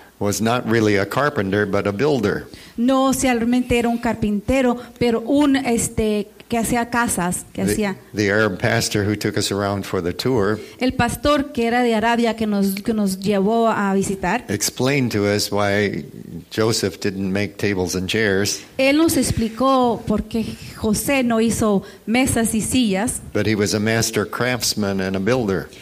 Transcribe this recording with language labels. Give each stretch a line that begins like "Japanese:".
English: Was not really a carpenter, but a builder.
Spanish: No, si realmente era un carpintero, pero un que hacía casas, que hacía.
English: The Arab pastor who took us around for the tour.
Spanish: El pastor que era de Arabia que nos llevó a visitar.
English: Explained to us why Joseph didn't make tables and chairs.
Spanish: Él nos explicó por qué José no hizo mesas y sillas.
English: But he was a master craftsman and a builder.